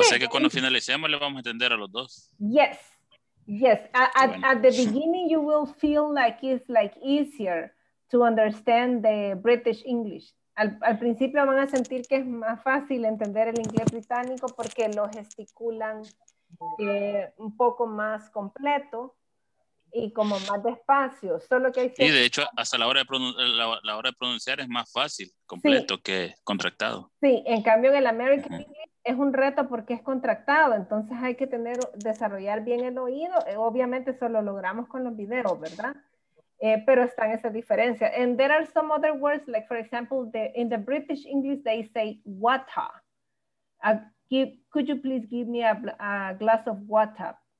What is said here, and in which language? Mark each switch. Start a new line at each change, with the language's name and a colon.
Spanish: O sea que cuando finalicemos, le vamos a entender a los dos.
English: Yes. Yes. At the beginning, you will feel like it's like easier to understand the British English.
Spanish: Al principio van a sentir que es más fácil entender el inglés británico porque lo gesticulan un poco más completo y como más despacio. Solo que hay de hecho, hasta la hora de pronunciar es más fácil, completo, sí, que contractado. Sí, en cambio en el
English: American English
Spanish: es un reto porque es contractado, entonces hay que desarrollar bien el oído. Obviamente eso lo logramos con los videos, ¿verdad? Pero están esas diferencias.
English: And there are some other words, like for example, in the British English, they say water. Could you please give me a glass of water?